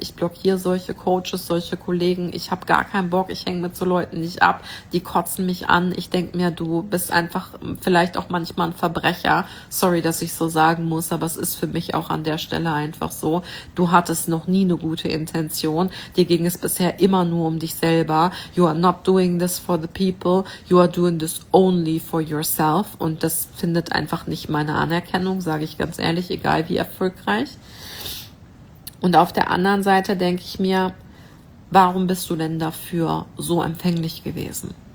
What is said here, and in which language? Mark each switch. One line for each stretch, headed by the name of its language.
German: Ich blockiere solche Coaches, solche Kollegen, ich habe gar keinen Bock, ich hänge mit so Leuten nicht ab, die kotzen mich an. Ich denke mir, du bist einfach vielleicht auch manchmal ein Verbrecher. Sorry, dass ich so sagen muss, aber es ist für mich auch an der Stelle einfach so. Du hattest noch nie eine gute Intention. Dir ging es bisher immer nur um dich selber.
English: You are not doing this for the people. You are doing this only for yourself
German: und das findet einfach nicht meine Anerkennung, sage ich ganz ehrlich, egal wie erfolgreich. Und auf der anderen Seite denke ich mir, warum bist du denn dafür so empfänglich gewesen?